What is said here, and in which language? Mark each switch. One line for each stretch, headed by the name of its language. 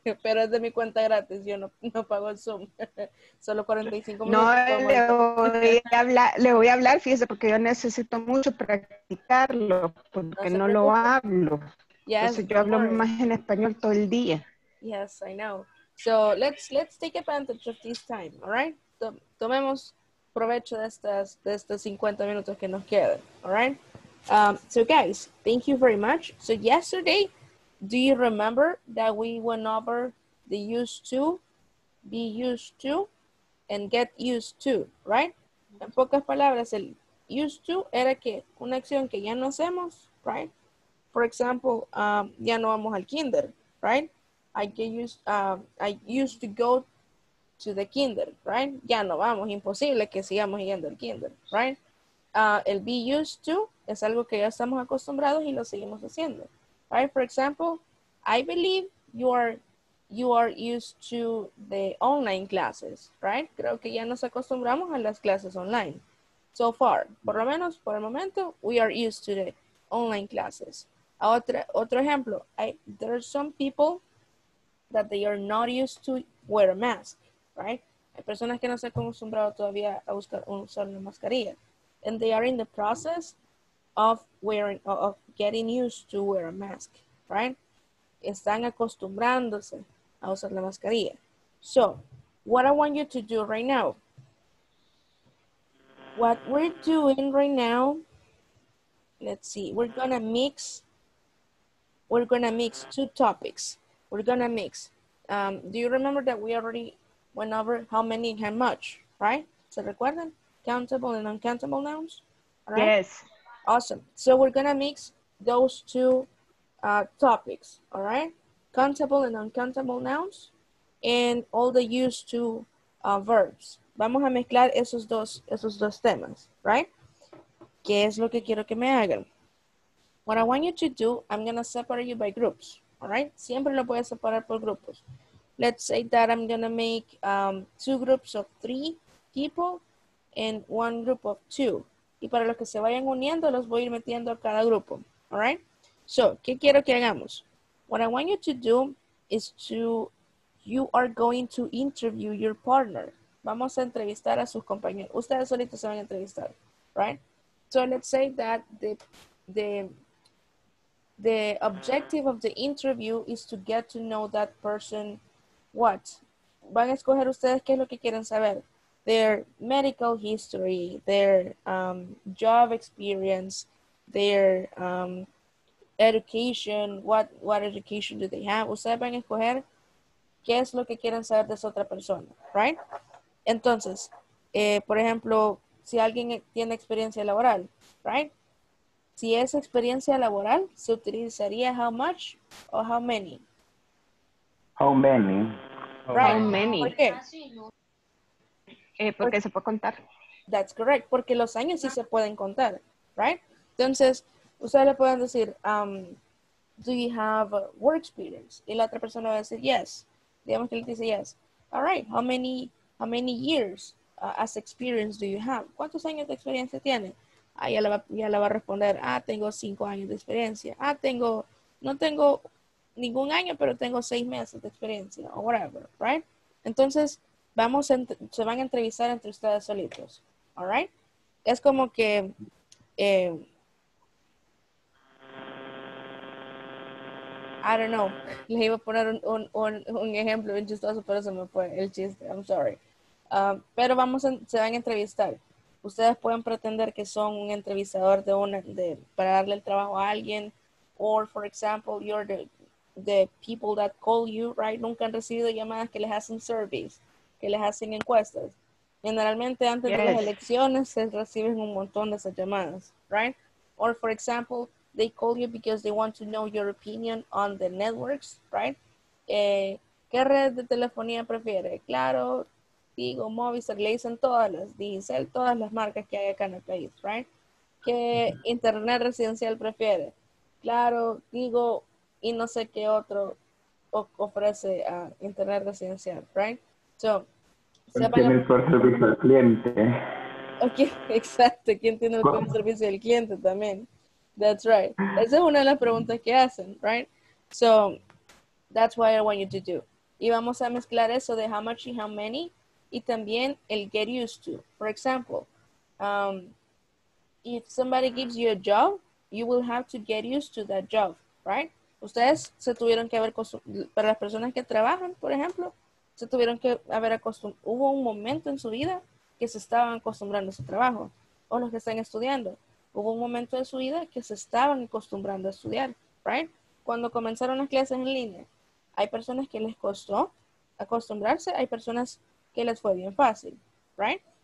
Spanish: Pero es de mi cuenta gratis, yo no pago el Zoom. Solo 45 minutos. No, le voy a hablar, fíjese, porque yo necesito mucho practicarlo, porque no lo hablo. Yes, entonces, yo hablo más en español todo el día.
English: Yes, I know. So, let's take advantage of this time, all right?
Spanish: Tomemos provecho de estas 50 minutos que nos quedan,
English: all right? So, guys, thank you very much. So, yesterday, do you remember that we went over the used to, be used to, and get used to, right?
Spanish: En pocas palabras, el used to era que una acción que ya no hacemos, right?
English: For example,
Spanish: ya no vamos al kinder, right?
English: I used to go to the kinder, right?
Spanish: Ya no vamos, imposible que sigamos yendo al kinder, right? El be used to es algo que ya estamos acostumbrados y lo seguimos haciendo, right?
English: For example, I believe you are used to the online classes, right?
Spanish: Creo que ya nos acostumbramos a las clases online.
English: So far,
Spanish: por lo menos por el momento,
English: we are used to the online classes.
Spanish: Otro ejemplo,
English: there are some people that they are not used to wear a mask, right?
Spanish: Hay personas que no se han acostumbrado todavía a usar una mascarilla.
English: And they are in the process of getting used to wear a mask, right?
Spanish: Están acostumbrándose a usar la mascarilla.
English: So, what I want you to do right now, what we're doing right now, let's see, we're gonna mix two topics. We're gonna mix. Do you remember that we already went over how many and how much, right?
Spanish: ¿Se recuerdan?
English: Countable and uncountable nouns, right? Yes. Awesome. So we're gonna mix those two topics, all right? Countable and uncountable nouns and all the used to verbs.
Spanish: Vamos a mezclar esos dos temas, right? ¿Qué es lo que quiero que me hagan?
English: What I want you to do, I'm gonna separate you by groups.
Spanish: All right, siempre lo voy a separar por grupos.
English: Let's say that I'm gonna make two groups of three people and one group of two.
Spanish: Y para los que se vayan uniendo, los voy a ir metiendo a cada grupo.
English: All right, so,
Spanish: ¿qué quiero que hagamos?
English: What I want you to do is you are going to interview your partner.
Spanish: Vamos a entrevistar a sus compañeros. Ustedes solitos se van a entrevistar, right?
English: So, let's say that the objective of the interview is to get to know that person. What?
Spanish: Van a escoger ustedes qué es lo que quieren saber.
English: Their medical history, their job experience, their education. What education do they have?
Spanish: Ustedes van a escoger qué es lo que quieren saber de esa otra persona, right? Entonces, por ejemplo, si alguien tiene experiencia laboral, right? Si es experiencia laboral, se utilizaría
English: how much
Spanish: o
English: how many? How many? Right. How many?
Spanish: ¿Por qué? Porque se puede contar.
English: That's correct.
Spanish: Porque los años sí se pueden contar, right? Entonces, ustedes le pueden decir,
English: do you have work experience?
Spanish: Y la otra persona va a decir, yes. Digamos que le dice, yes.
English: All right, how many years as experience do you have?
Spanish: ¿Cuántos años de experiencia tiene? Ah, ya la va a responder, tengo 5 años de experiencia. No tengo ningún año, pero tengo 6 meses de experiencia, o
English: whatever,
Spanish: right? Entonces, se van a entrevistar entre ustedes solitos, all right? Es como que,
English: I don't know,
Spanish: les iba a poner un ejemplo bien chistoso, pero se me fue el chiste,
English: I'm sorry.
Spanish: Pero se van a entrevistar. Ustedes pueden pretender que son un entrevistador para darle el trabajo a alguien.
English: Or, for example, you're the people that call you,
Spanish: right? Nunca han recibido llamadas que les hacen surveys, que les hacen encuestas. generalmente antes de las elecciones se reciben un montón de esas llamadas, right?
English: Or for example, they call you because they want to know your opinion on the networks, right?
Spanish: ¿Qué red de telefonía prefiere? Claro, Tigo, Movistar, le dicen todas las, Digicel, todas las marcas que hay acá en el país, right? ¿Qué internet residencial prefiere? Claro, Tigo y no sé qué otro ofrece a internet residencial, right?
English: So,
Spanish: ¿quién tiene el mejor servicio al cliente? Okay, exacto, ¿quién tiene el mejor servicio al cliente también?
English: That's right.
Spanish: Esa es una de las preguntas que hacen, right?
English: So, that's what I want you to do.
Spanish: Y vamos a mezclar eso de how much y how many, y también el get used to.
English: For example, if somebody gives you a job, you will have to get used to that job, right?
Spanish: Ustedes se tuvieron que haber, para las personas que trabajan, por ejemplo, se tuvieron que haber acostumbrado, hubo un momento en su vida que se estaban acostumbrando a su trabajo, o los que están estudiando. Hubo un momento de su vida que se estaban acostumbrando a estudiar, right? Cuando comenzaron las clases en línea, hay personas que les costó acostumbrarse, hay personas que les fue bien fácil, right?